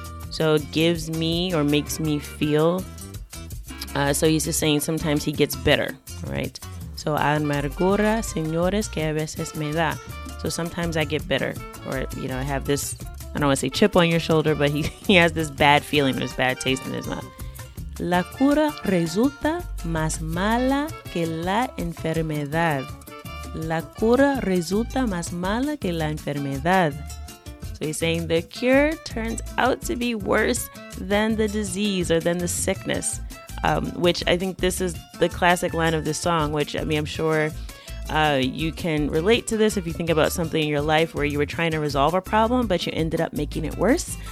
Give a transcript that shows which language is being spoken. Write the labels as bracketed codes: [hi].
[en] So it gives me or makes me feel. So he's just saying sometimes he gets bitter, right? [es] So amargura, señores, que a veces me da. [en] So sometimes I get bitter, or, you know, I have this, I don't want to say chip on your shoulder, but he has this bad feeling, this bad taste in his mouth. [es] La cura resulta más mala que la enfermedad. La cura resulta más mala que la enfermedad. [en] So he's saying the cure turns out to be worse than the disease, or than the sickness, which I think this is the classic line of this song, which, I mean, I'm sure you can relate to this if you think about something in your life where you were trying to resolve a problem, but you ended up making it worse.